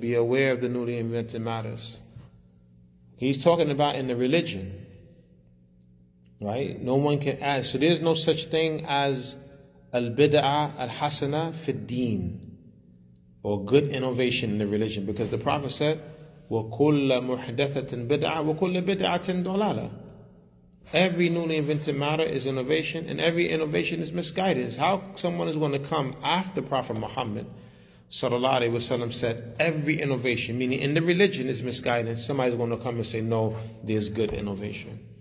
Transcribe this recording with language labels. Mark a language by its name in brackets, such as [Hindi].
[English] Be aware of the newly invented matters. He's talking about in the religion. Right? No one can add. So there's no such thing as al-bid'ah al-hasana fi al-deen, or good innovation in the religion. Because the Prophet said, [Arabic] وَكُلَّ مُحْدَثَةٍ بِدْعَةٍ وَكُلَّ بِدْعَةٍ ضَلَالَةٍ. [English] Every newly invented matter is innovation, and every innovation is misguidance. How someone is going to come after Prophet Muhammad sallallahu alaihi wasallam said every innovation, meaning in the religion, is misguided, somebody's going to come and say, no, there's good innovation.